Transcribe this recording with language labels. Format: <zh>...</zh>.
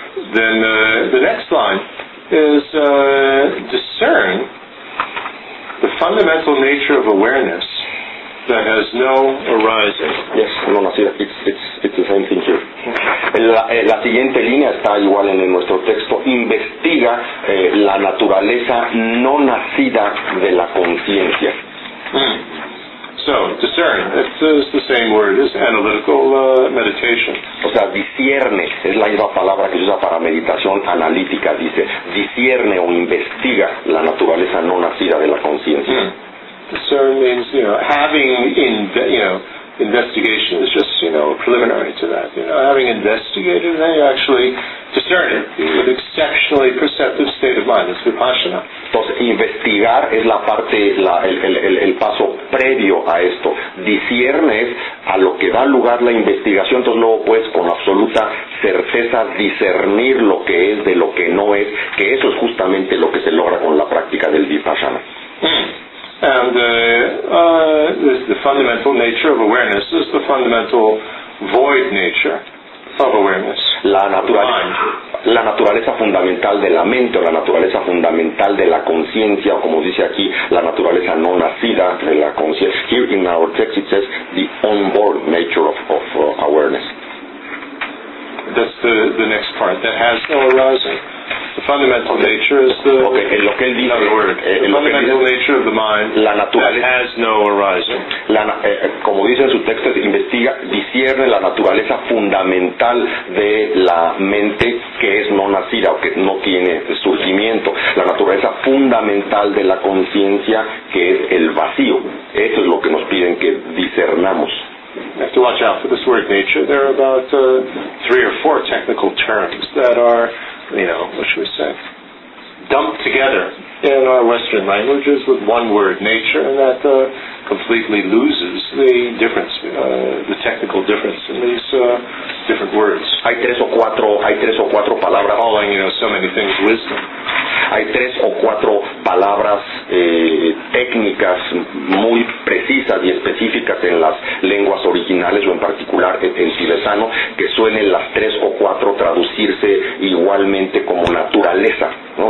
<en>Then the next line is discern the fundamental nature of awareness that has no arising. Yes, no, no, see, it's the same thing here.</en> <es>La siguiente línea está igual en nuestro texto. Investiga la naturaleza no nacida de la conciencia.</es> <en>So, discern. It's the same word as analytical meditation.</en> <es>O sea, discierne. Es la misma palabra que se usa para meditación analítica. Dice, discierne o investiga la naturaleza no nacida de la conciencia.</es> <en>Discern means, having in, investigation is just, preliminary to that. Having investigated, then you actually discern it with exceptionally perceptive state of mind. It's vipassana.</en> <es>Entonces, investigar es la parte, el paso previo a esto. Discierne es a lo que da lugar la investigación. Entonces, luego puedes con absoluta certeza discernir lo que es de lo que no es. Que eso es justamente lo que se logra con la práctica del vipassana.</es> <en>And the fundamental nature of awareness is the fundamental void nature of awareness.</en> <es>La naturaleza fundamental de la mente, o la naturaleza fundamental de la conciencia, o como dice aquí, la naturaleza no nacida de la conciencia.</es> <en>Here in our text it says the unborn nature of awareness. That's the next part that has no arising. The fundamental nature is the,</en> <es>lo que él dice,</es> <en>another word. The fundamental nature of the mind</en> <es>la naturaleza,</es> <en>that has no arising.</en> <es>Como dice en su texto, investiga, discierne la naturaleza fundamental de la mente que es no nacida o que no tiene surgimiento. La naturaleza fundamental de la conciencia que es el vacío. Eso es lo que nos piden que discernamos.</es> <en>You have to watch out for this word nature. There are about three or four technical terms that are, what should we say, dumped together in our Western languages with one word, nature, and that completely loses the difference, the technical difference in these different words.</en> <es>Hay tres o cuatro palabras.</es> <en>Calling, so many things wisdom.</en> <es>Hay tres o cuatro palabras técnicas muy precisas y específicas en las lenguas originales o en particular en tibetano que suelen las tres o cuatro traducirse igualmente como naturaleza, ¿no?</es>